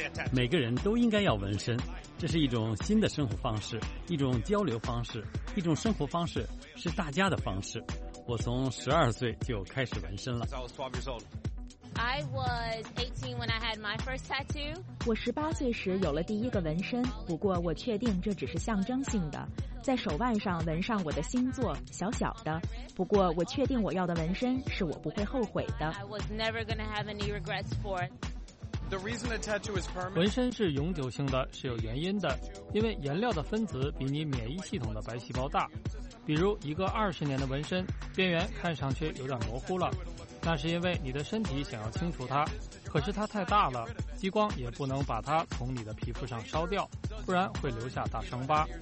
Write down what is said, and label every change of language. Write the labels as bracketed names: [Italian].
[Chinese] 每个人都应该要纹身，这是一种新的生活方式，一种交流方式，一种生活方式，是大家的方式。我从12岁就开始纹身了。 [English] I was 18 when I had my first tattoo. [Chinese] 我18岁时有了第一个纹身，不过我确定这只是象征性的，在手腕上纹上我的星座，小小的。不过我确定我要的纹身是我不会后悔的。 [English] I was never gonna have any regrets for it. [Chinese] 纹身是永久性的，是有原因的，因为颜料的分子比你免疫系统的白细胞大。比如一个20年的纹身，边缘看上去有点模糊了，那是因为你的身体想要清除它，可是它太大了，激光也不能把它从你的皮肤上烧掉，不然会留下大伤疤。